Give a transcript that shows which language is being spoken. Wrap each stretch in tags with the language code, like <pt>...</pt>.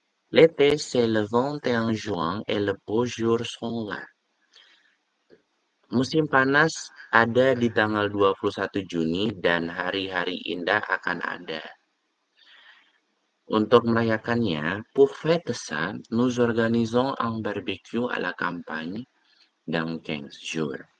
<fr>L'été, c'est le 21 juin et le beau jour sont là.</fr> <id>Musim panas ada di tanggal 21 Juni dan hari-hari indah akan ada. Untuk merayakannya,</id> <fr>pour fêter ça, nous organisons un barbecue à la campagne dans 15 jours.</fr>